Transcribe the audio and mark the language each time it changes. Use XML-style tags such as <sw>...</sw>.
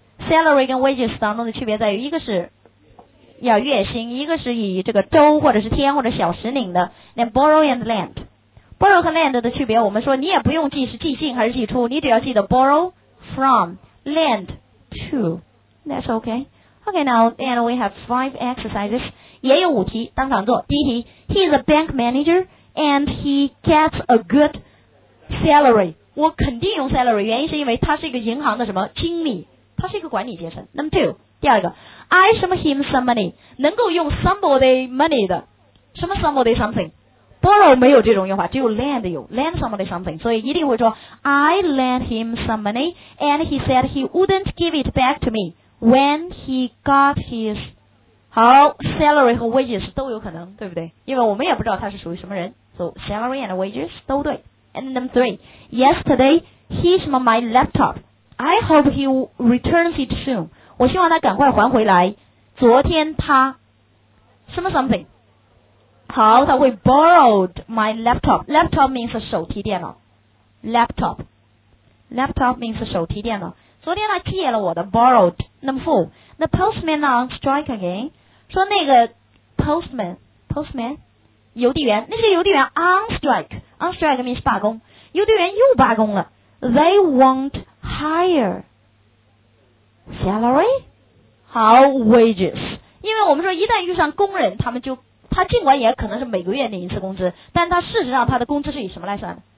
<zh>salary 跟 wages 当中的区别在于一个是要月薪，一个是以这个周或者是天或者小时领的。 then borrow and lend, borrow 和 lend 的区别，我们说你也不用记是记进还是记出，你只要记得</zh> <en>borrow from,Land to, that's okay. Okay, now, and we have five exercises.</en> <zh>也有五题，当场做。</zh> <en>第一题， He's a bank manager and he gets a good salary.</en> <zh>我肯定用 salary, 原因是因为他是一个银行的什么经理，他是一个管理阶层。</zh> <en>Number two, 第二个， I 什么 him some money, 能够用 somebody money 的，什么 somebody something? Borrow 没有这种用法，只有 lend 有， lend somebody something, 所以一定会说 I lent him some money and he said he wouldn't give it back to me when he got his, 好 salary 和 wages 都有可能，对不对？</en> <zh>因为我们也不知道他是属于什么人，</zh> <en>so salary and wages</en> <zh>都对。</zh> <en>And number three, yesterday he smashed my laptop, I hope he returns it soon,</en> <zh>我希望他赶快还回来，</zh> <en>昨天他什么 something, 好他会 borrowed my laptop, laptop means 手提电脑，Laptop means 手提电脑，</en> <zh>昨天他借了我的</zh> <en>borrowed.</en> <zh>Number four,</zh> <en>the postman on strike again,</en> <zh>说那个 postman 邮递员，那些邮递员 on strike means 罢工，邮递员又罢工了，</zh> <en>they want higher salary,</en> <zh>好 wages, 因为我们说一旦遇上工人，他们就他尽管也可能是每个月领一次工资，但他事实上他的工资是以什么来算的？</zh>